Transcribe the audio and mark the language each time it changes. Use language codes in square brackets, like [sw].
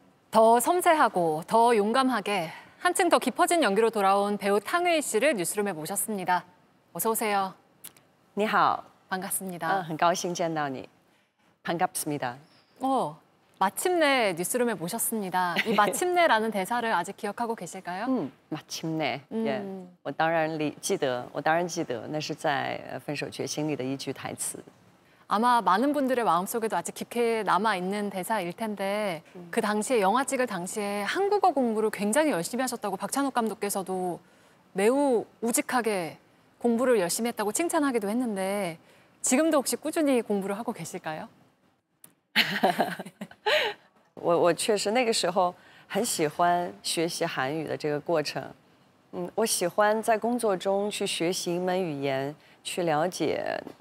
[ko] 더 섬세하고 더 용감하게 한층 더 깊어진 연기로 돌아온 배우 탕웨이 씨를 뉴스룸에 모셨습니다. 어서 오세요. [zh] 니하오. [ko] 반갑습니다. [zh] 很高兴见到你. [ko] 반갑습니다. 마침내 뉴스룸에 모셨습니다. 이 마침내라는 대사를 아직 기억하고 계실까요? 마침내. [zh] 我当然记得那是在分手决心里的一句台词. [ko] 아마 많은 분들의 마음속에도 아직 깊게 남아있는 대사일 텐데 그 당시에 영화 찍을 당시에 한국어 공부를 굉장히 열심히 하셨다고 박찬욱 감독께서도 매우 우직하게 공부를 열심히 했다고 칭찬하기도 했는데 지금도 혹시 꾸준히 공부를 하고 계실까요? [zh] 我确实那个时候很喜欢学习韩语的这个过程。我喜欢在工作中去学习一门语言，去了解。